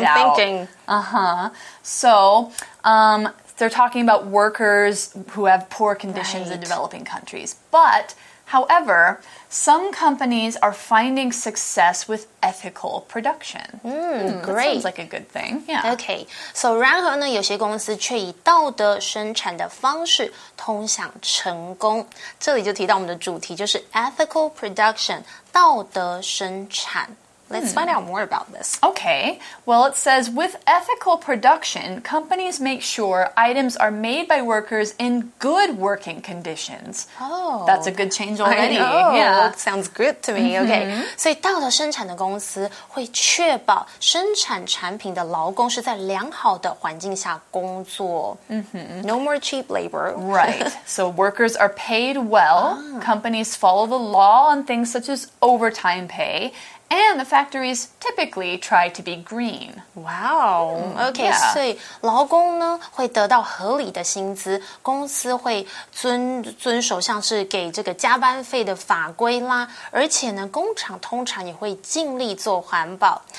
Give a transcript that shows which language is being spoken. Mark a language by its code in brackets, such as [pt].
[en] Do some thinking. Uh-huh. So, they're talking about workers who have poor conditions in developing countries. But, however, some companies are finding success with ethical production. Great. That sounds like a good thing. Yeah. Okay. [zh] So, 然后呢，有些公司却以道德生产的方式通向成功。这里就提到我们的主题，就是 ethical production, 道德生产。 [en] Let's find out more about this. Okay. Well, it says, with ethical production, companies make sure items are made by workers in good working conditions. Oh. That's a good change already. I know. Yeah. That sounds good to me. Mm-hmm. Okay. [zh] 所以道德生产的公司会确保生产产品的劳工是在良好的环境下工作。 Mm-hmm. [en] No more cheap labor. Right. So workers are paid well. Ah. Companies follow the law on things such as overtime pay. And the factories typically try to be green. Wow. Okay, yeah. [zh] 所以劳工呢会得到合理的薪资，公司会遵守像是给这个加班费的法规啦，而且呢工厂通常也会尽力做环保。